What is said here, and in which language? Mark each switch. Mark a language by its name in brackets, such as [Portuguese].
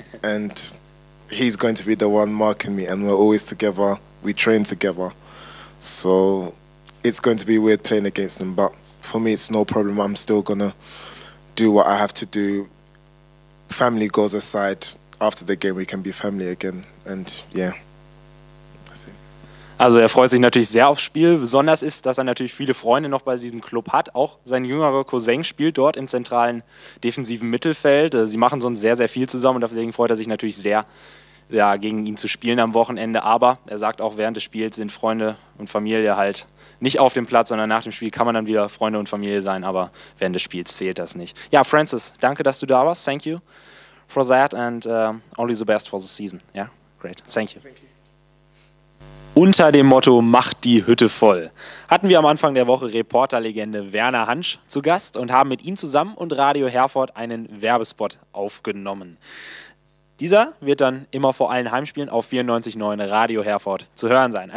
[English] And he's going to be the one marking me. And we're always together. We train together. So it's going to be weird playing against them. But for me, it's no problem. I'm still going to do what I have to do. Family goes aside, after the game we can be family again and yeah. That's it. [German] Also er freut sich natürlich sehr aufs Spiel. Besonders ist, dass er natürlich viele Freunde noch bei diesem Club hat. Auch sein jüngerer Cousin spielt dort im zentralen defensiven Mittelfeld. Sie machen sonst sehr, sehr viel zusammen und deswegen freut er sich natürlich sehr, ja, gegen ihn zu spielen am Wochenende. Aber er sagt auch, während des Spiels sind Freunde und Familie halt nicht auf dem Platz, sondern nach dem Spiel kann man dann wieder Freunde und Familie sein, aber während des Spiels zählt das nicht. Ja, Francis, danke, dass du da warst. [English] Thank you for that and only the best for the season. Yeah, great. Thank you. [German] Unter dem Motto, macht die Hütte voll, hatten wir am Anfang der Woche Reporterlegende Werner Hansch zu Gast und haben mit ihm zusammen und Radio Herford einen Werbespot aufgenommen. Dieser wird dann immer vor allen Heimspielen auf 94.9 Radio Herford zu hören sein.